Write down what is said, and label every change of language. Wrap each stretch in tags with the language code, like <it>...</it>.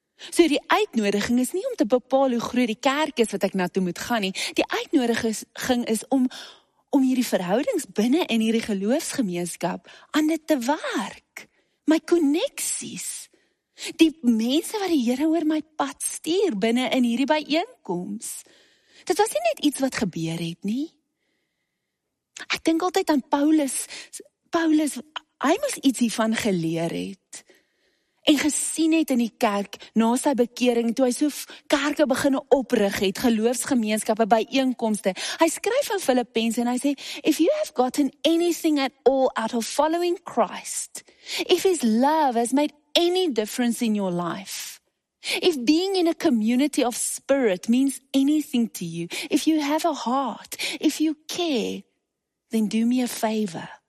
<af>So die uitnodiging is nie om te bepaal hoe groot die kerk is wat ek na toe moet gaan nie. Die uitnodiging is om hierdie verhoudings binne in hierdie geloofsgemeenskap aan dit te werk. My koneksies. Die mense wat die Here oor my pad stuur binne in hierdie byeenkoms. Dit was nie net iets wat gebeur het nie. Ek dink altyd aan Paulus. Paulus, hy moes iets hiervan geleer het. En gesien het in die kerk na sy bekering toe hy so kerke begin oprig het, geloofsgemeenskappe by einkomste. Hy skryf aan Filippense en hy sê,</af> <en>"If you have gotten anything at all out of following Christ, if his love has made any difference in your life, if being in a community of spirit means anything to you, if you have a heart, if you care, then do me a favor.</en>